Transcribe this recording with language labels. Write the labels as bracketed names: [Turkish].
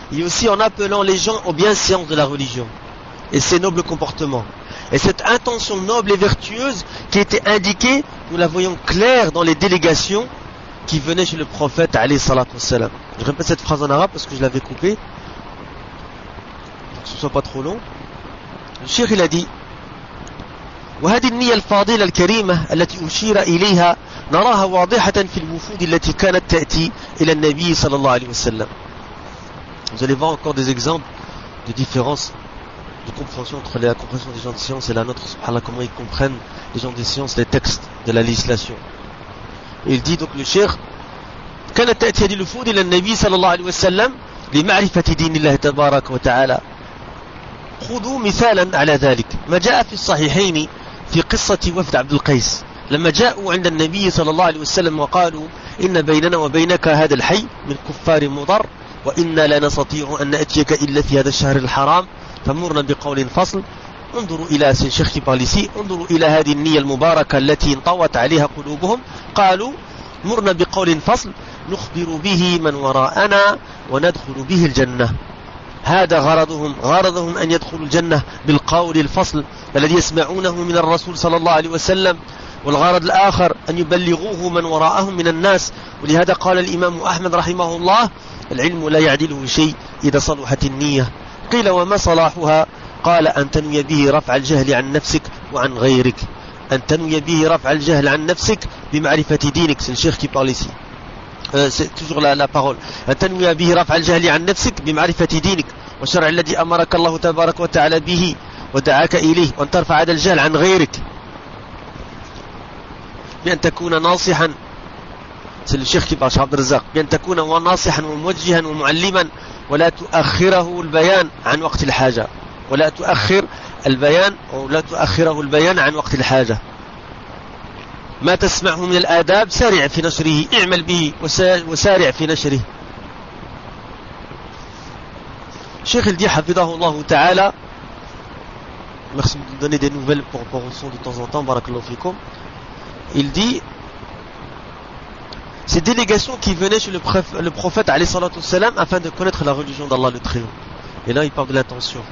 [French] et aussi en appelant les gens au bienséance de la religion et ses nobles comportements. Et cette intention noble et vertueuse qui était indiquée, nous la voyons claire dans les délégations qui venaient chez le prophète alayhi salatu wassalam. Je répète cette phrase en arabe parce que je l'avais coupée, pour que ce ne soit pas trop long. Le cheikh il a dit: [Arabic] وهذه النية الفاضلة الكريمة التي أشير إليها نراها واضحة في الوفود التي كانت تأتي إلى النبي صلى الله عليه وسلم. [French] Vous allez voir encore des exemples de différence de compréhension entre la compréhension des gens de science et la nôtre, subhanallah, comment ils comprennent les gens de science les textes de la législation. Il dit donc le cheikh: [Arabic] كانت تأتي هذه الوفود إلى النبي صلى الله عليه وسلم لمعرفة دين الله تبارك وتعالى. خذوا مثالا على ذلك ما جاء في الصحيحين في قصة وفد عبد القيس لما جاءوا عند النبي صلى الله عليه وسلم وقالوا إن بيننا وبينك هذا الحي من كفار مضر وإنا لا نستطيع أن نأتيك إلا في هذا الشهر الحرام فمرنا بقول فصل. انظروا إلى شيخ باليسي، انظروا إلى هذه النية المباركة التي انطوت عليها قلوبهم. قالوا مرنا بقول فصل نخبر به من وراءنا وندخل به الجنة. هذا غرضهم، غرضهم أن يدخلوا الجنة بالقول الفصل الذي يسمعونه من الرسول صلى الله عليه وسلم، والغرض الآخر أن يبلغوه من وراءهم من الناس. ولهذا قال الإمام أحمد رحمه الله: العلم لا يعدله شيء إذا صلحت النية. قيل: وما صلاحها؟ قال: أن تنوي به رفع الجهل عن نفسك وعن غيرك، أن تنوي به رفع الجهل عن نفسك بمعرفة دينك. الشيخ كيباليسي [French] c'est toujours la parole. [Arabic] تنوي به رفع الجهل عن نفسك بمعرفة دينك والشرع الذي أمرك الله تبارك وتعالى به ودعاك إليه، وأن ترفع هذا الجهل عن غيرك بأن تكون ناصحا، الشيخ كبار عبد الرزاق، بأن تكون ناصحا وموجها ومعلما، ولا تؤخره البيان عن وقت الحاجة، ولا تؤخر البيان ولا تؤخره البيان عن وقت الحاجة. ما تسمعه من الآداب سارع في نشره، اعمل به وسارع في نشره. شيخ الدي حفظه الله تعالى، [French] merci de donner des nouvelles pour rapport au son de temps en temps, barakallahu fikum. Il dit: ces délégations qui venaient chez le prophète alayhi salatu wassalam afin de connaître la religion d'Allah le Très-Haut. Et là il parle de l'intention.